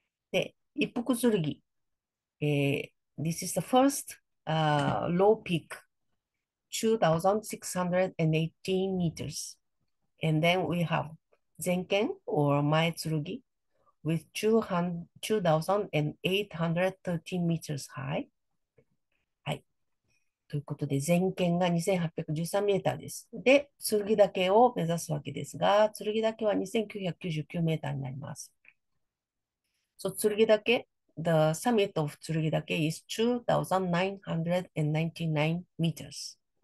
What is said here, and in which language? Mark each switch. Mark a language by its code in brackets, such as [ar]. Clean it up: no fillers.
[en] で、Ippuku Tsurugi. This is the first low peak, 2,618 meters. And then we have Zenken or Maetsurugi with 2,813 meters high. [ja] ということで、全県が2813メーターです。で、剣岳を目指すわけですが、剣岳は2999メーターになります。 [en] So, 剣岳、the summit of 剣岳 is 2,999 meters.